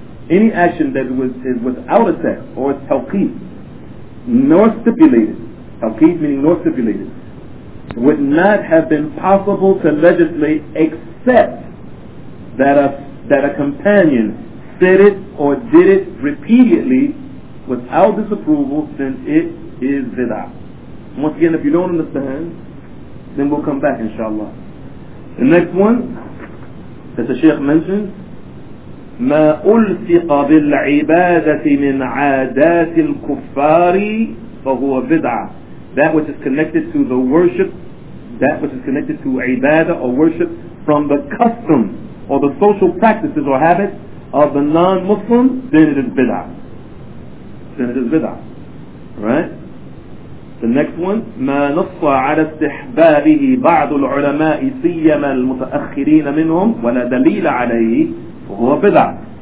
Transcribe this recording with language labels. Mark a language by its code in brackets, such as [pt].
[en] Any action that is without a text or tawqif, nor stipulated, tawqif meaning nor stipulated, would not have been possible to legislate except that a companion said it or did it repeatedly without disapproval, since it is bid'ah. Once again, if you don't understand, then we'll come back inshallah. The next one that the Shaykh mentions, [ar] ما ألصق بالعبادة من عادات الكفار فهو بدعة. [en] That which is connected to the worship, that which is connected to ibadah or worship from the custom or the social practices or habits of the non-Muslim, then it is bid'ah. Then it is bid'ah. Right? The next one, [ar] ما نص على استحبابه بعض العلماء سيما المتأخرين منهم ولا دليل عليه فهو بدعة.